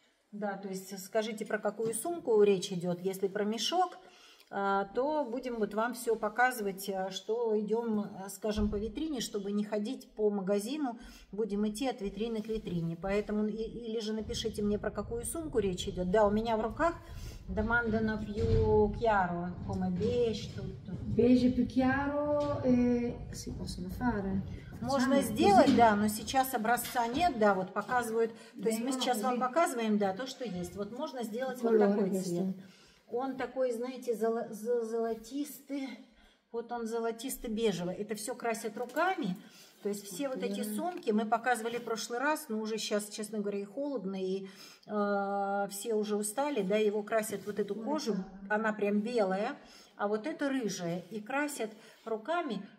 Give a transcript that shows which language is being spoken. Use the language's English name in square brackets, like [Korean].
[Russian] Да, то есть скажите, про какую сумку речь идет, если про мешок, то будем вот вам все показывать, что идем, скажем, по витрине, чтобы не ходить по магазину, будем идти от витрины к витрине. Поэтому или же напишите мне, про какую сумку речь идет. Да, у меня в руках [Italian] Domandano più chiaro, come beige, tutto. Beige più chiaro, si possono fare. [Russian] Можно сделать, да, но сейчас образца нет, да, вот показывают. То есть мы сейчас вам показываем, да, то, что есть. Вот можно сделать вот такой цвет. Он такой, знаете, золотистый, Вот он золотисто-бежевый. Это все красят руками. То есть все вот эти сумки мы показывали в прошлый раз, но уже сейчас, честно говоря, и холодно, и все уже устали, да, его красят вот эту кожу, она прям белая, а вот эта рыжая, и красят руками.